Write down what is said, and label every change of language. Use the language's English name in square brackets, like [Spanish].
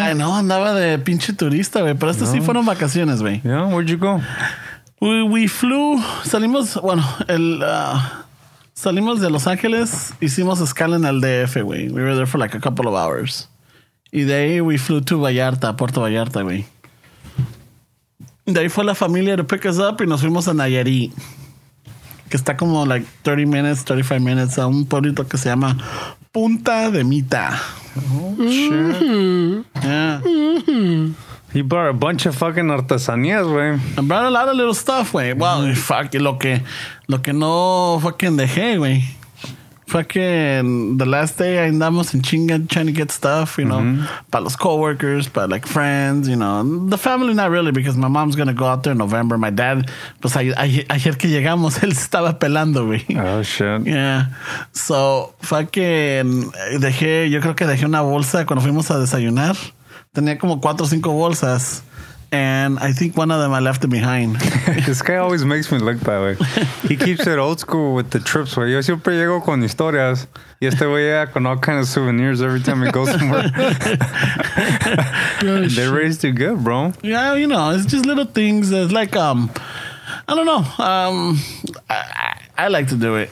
[Spanish] Ay, no, andaba de pinche turista, güey. Pero estas sí fueron vacaciones, güey. [English] Yeah, where'd you go? We flew. [Spanish] Salimos de Los Ángeles. Hicimos escala en el DF, güey. [English] We were there for like a couple of hours. [Spanish] Y de ahí [English] we flew to [Spanish] Vallarta, Puerto Vallarta, güey. De ahí fue la familia [English] to pick us up [Spanish] y nos fuimos a Nayarit. Que está como [English] like 30 minutes, 35 minutes [Spanish] a un pueblito que se llama Punta de Mita. [English] Oh, shit. Mm-hmm. Yeah. Mm-hmm. He brought a bunch of fucking artesanías, güey. I brought a lot of little stuff, güey. Well, mm-hmm. Fuck, [Spanish] lo que no fucking dejé, [English] güey. Fucking the last day, [Spanish] andamos en chinga [English] trying to get stuff, you know, mm-hmm. [Spanish] Para los coworkers, para [English] like friends, you know, the family not really because my mom's gonna go out there in November. My dad, [Spanish] pues ayer que llegamos, él estaba pelando, güey. [English] Oh shit. Yeah. So fucking [Spanish] dejé, yo creo que dejé una bolsa cuando fuimos a desayunar. Tenía como cuatro o cinco bolsas [English] And I think one of them I left it behind. This guy always makes me look that way. He keeps it old school with the trips, where [Spanish] yo siempre llego con historias. Y este güey llega con [English] all kinds of souvenirs every time he goes somewhere. They raised you good, bro. Yeah, you know, it's just little things. It's like, I don't know. I like to do it.